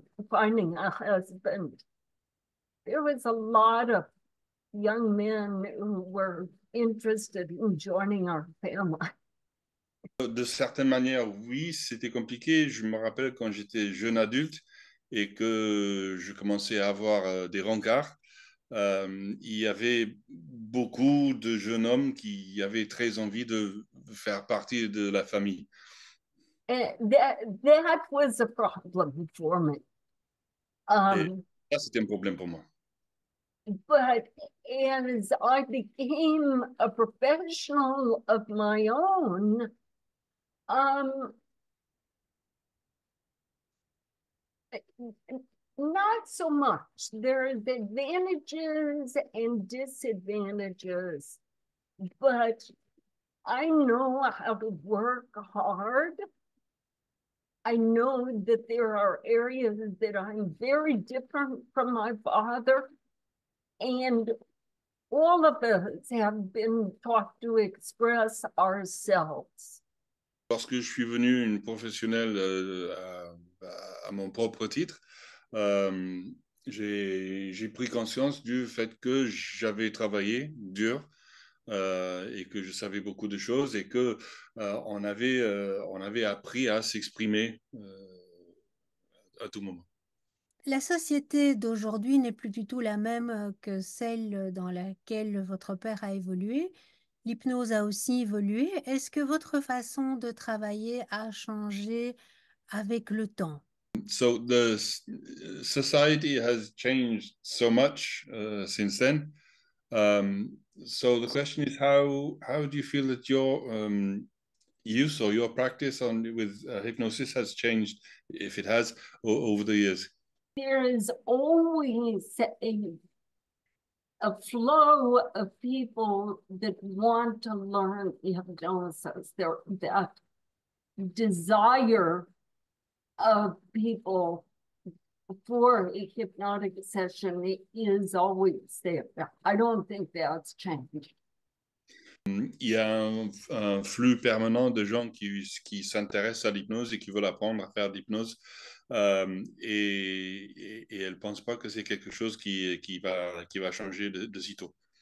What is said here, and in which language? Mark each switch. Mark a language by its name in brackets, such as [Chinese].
[English] finding a husband, there was a lot of young men who were interested in joining our family. [French] De certaine manière, oui, c'était compliqué. Je me rappelle quand j'étais jeune adulte et que je commençais à avoir des rencarts, il y avait beaucoup de jeunes hommes qui avaient très envie de faire partie de la famille. [English] And that was a problem for me. [French] Et ça, c'était un problème pour moi. [English] But as I became a professional of my own, not so much. There are the advantages and disadvantages, but I know how to work hard. I know that there are areas that I'm very different from my father, and all of us have been taught to express ourselves. [French] Lorsque je suis venu une professionnelle à mon propre titre, j'ai pris conscience du fait que j'avais travaillé dur et que je savais beaucoup de choses et que on avait appris à s'exprimer à tout moment. La société d'aujourd'hui n'est plus du tout la même que celle dans laquelle votre père a évolué. L'hypnose a aussi évolué. Est-ce que votre façon de travailler a changé avec le temps? [English] So the society has changed so much since then. So the question is how do you feel that your use or your practice on with hypnosis has changed, if it has, over the years? There is always a flow of people that want to learn hypnosis. That desire of people for a hypnotic session is always there. I don't think that's changed. [French] Il y a un flux permanent de gens qui s'intéressent à l'hypnose et qui veulent apprendre à faire de l'hypnose. Et elle pense pas que c'est quelque chose qui va changer de sitôt.